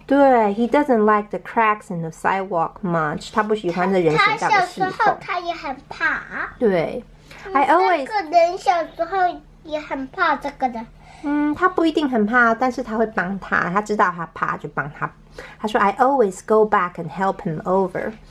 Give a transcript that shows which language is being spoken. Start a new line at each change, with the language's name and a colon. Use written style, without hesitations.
Chinese: 对
English: ，He doesn't like the cracks in the sidewalk much.
Chinese: 他不喜欢这人行道的细缝。他小时候他也很怕。对，
English: I always
Chinese: 这个人小时候也很怕这个的。嗯，他不一定很怕，但是他会帮他。他知道他怕，就帮他。他说
English: ，I always go back and help him over.